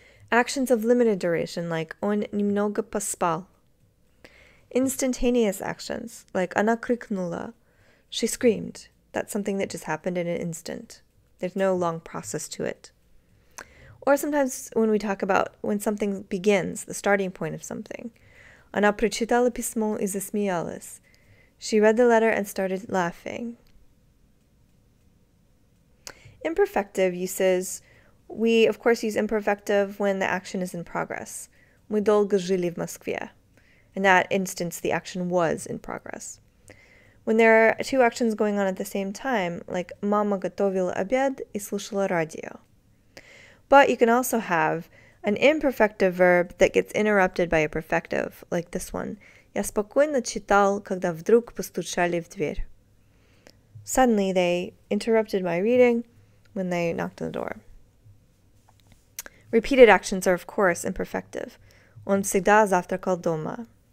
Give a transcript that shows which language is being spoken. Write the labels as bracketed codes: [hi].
[en] Actions of limited duration, like [ru] он немного поспал. [en] Instantaneous actions, like [ru] она крикнула. [en] She screamed. That's something that just happened in an instant. There's no long process to it. Or sometimes when we talk about when something begins, the starting point of something. [ru] Она прочитала письмо и засмеялась. [en] She read the letter and started laughing. Imperfective uses, we of course use imperfective when the action is in progress. [ru] Мы долго жили в Москве. [en] In that instance, the action was in progress. When there are two actions going on at the same time, like [ru] мама готовила обед и слушала радио. [en] But you can also have an imperfective verb that gets interrupted by a perfective, like this one. [ru] Я спокойно читал, когда вдруг постучали в дверь. [en] Suddenly, they interrupted my reading when they knocked on the door. Repeated actions are, of course, imperfective. [ru] Он всегда завтракал дома.